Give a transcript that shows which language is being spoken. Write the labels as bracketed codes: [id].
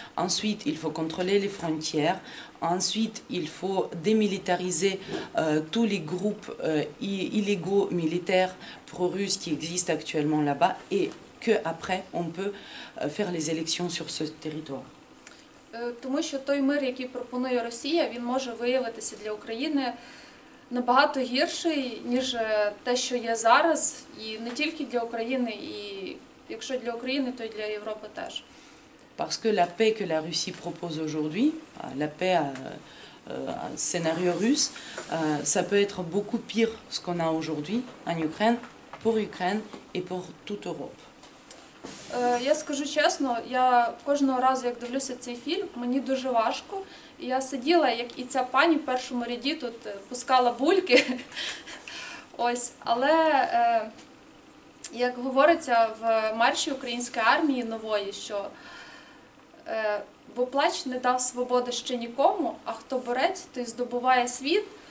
[fr] Ensuite, il faut contrôler les frontières. Ensuite, il faut démilitariser tous les groupes illégaux militaires pro-russes qui existent actuellement là-bas. Et qu'après, on peut faire les élections sur ce territoire. [uk] Тому що той мир, який пропонує Росія, він може виявитися для України набагато гірший, ніж те, що є зараз, і не тільки для України, і якщо для України, то й для Європи теж. [fr] Parce que la paix que la Russie propose aujourd'hui, la paix à un scénario russe, ça peut être beaucoup pire ce qu'on a aujourd'hui en Ukraine pour Ukraine et pour toute Europe. [uk] Я скажу чесно, я кожного разу, як дивлюся цей фільм, мені дуже важко. Я сиділа, як і ця пані в першому ряді, тут пускала бульки. Ось. Але, як говориться в марші української армії нової, що «Бо плач не дав свободи ще нікому, а хто борець, той здобуває світ».